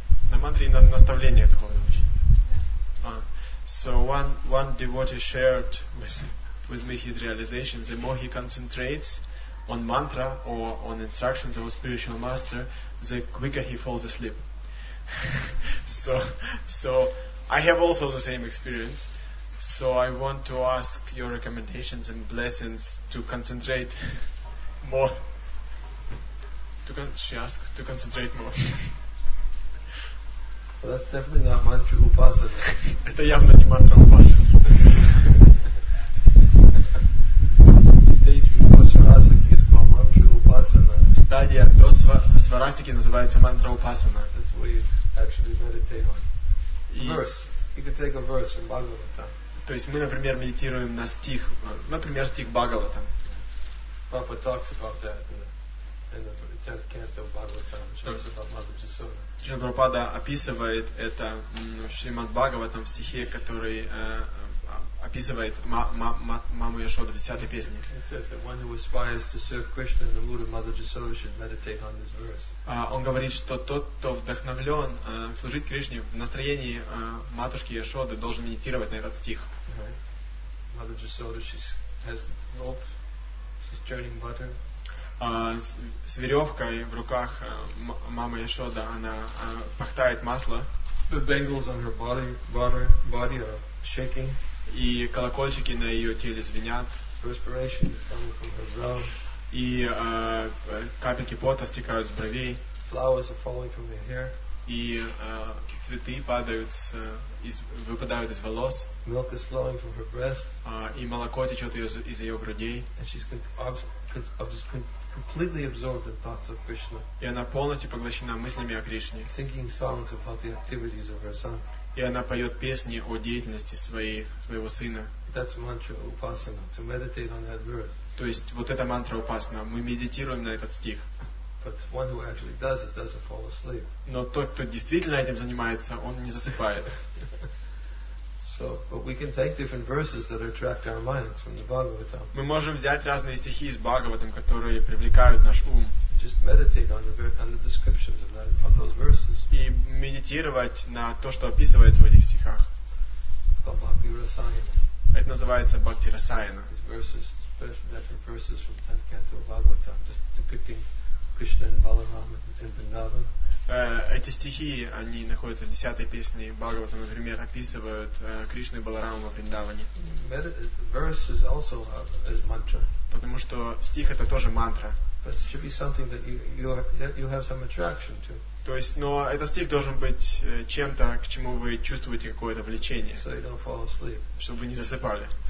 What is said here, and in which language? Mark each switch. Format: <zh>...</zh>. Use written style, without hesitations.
<ru>На мантре и на наставление духовного учителя.</ru> <en>So one devotee shared with me his realization. The more he concentrates on mantra or on instructions of a spiritual master, the quicker he falls asleep. So I have also the same experience. So I want to ask your recommendations and blessings to concentrate more. She asked to concentrate more. Well, that's definitely not mantra upasana.</en> <ru>Это явно не мантра упасана.</ru> <en>State vipassarasana is called mantra upasana.</en> <ru>Стадия до сварасики называется мантра упасана.</ru> <en>That's what you actually meditate on. Verse. You can take a verse from Bhagavatam.</en> <ru>То есть мы, например, медитируем на стих, например, стих Бхагаватам.</ru> <en>Papa talks about that. And the 10th canto of Bhagavatam, which is about Mother Jasoda.</en> <ru>Шрила Прабхупада описывает это в Шримад Бхагаватам, в стихе, который описывает Маму Яшоду, в 10-й песне.</ru> <en>It says that one who aspires to serve Krishna in the mood of Mother Jasoda should meditate on this verse.</en> <ru>Он говорит, что тот, кто вдохновлен служить Кришне в настроении Матушки Яшоды, должен медитировать на этот стих.</ru> <en>Mother Jasoda, she has the rope, she's churning butter.</en> <ru>С веревкой в руках мама Яшода, она пахтает масло.</ru> <en>The bangles on her body are shaking.</en> <ru>И колокольчики на ее теле звенят.</ru> <en>Perspiration is coming from her brow.</en> <ru>И капельки пота стекают с бровей.</ru> <en>Flowers are falling from her hair.</en> <ru>И цветы падают выпадают из волос.</ru> <en>Milk is flowing from her breast.</en> <ru>И молоко течет из ее грудей.</ru> <en>And she's completely absorbed in thoughts of Krishna.</en> <ru>И она полностью поглощена мыслями о Кришне.</ru> <en>Singing songs about the activities of her son.</en> <ru>И она поет песни о деятельности своего сына.</ru> <en>That's mantra upasana, to meditate on that verse.</en> <ru>То есть вот эта мантра упасана. Мы медитируем на этот стих.</ru> <en>But one who actually does it doesn't fall asleep.</en> <ru>Но тот, кто действительно этим занимается, он не засыпает.</ru> <en>So, but we can take different verses that attract our minds from the Bhagavatam.</en> <ru>Мы можем взять разные стихи из Бхагаватам, которые привлекают наш ум.</ru> <en>Just meditate on the descriptions of those verses.</en> <ru>И медитировать на то, что описывается в этих стихах.</ru> <en>It's called Bhakti Rasayana.</en> <ru>Это называется Бхакти Расаяна.</ru> <en>These verses, different verses from 10th canto of Bhagavatam, just depicting Krishna and Balarama in Vrindavan.</en> <ru>Эти стихи, они находятся в 10-й песне Бхагавата, например, описывают Кришну и Баларама во Вриндаване.</ru> <en>Verse is also as mantra.</en> <ru>Потому что стих это тоже мантра.</ru> <en>But it should be something that you have some attraction to.</en> <ru>То есть, но этот стих должен быть чем-то, к чему вы чувствуете какое-то влечение.</ru> <en>So you don't fall asleep.</en> <ru>Чтобы вы не засыпали.</ru>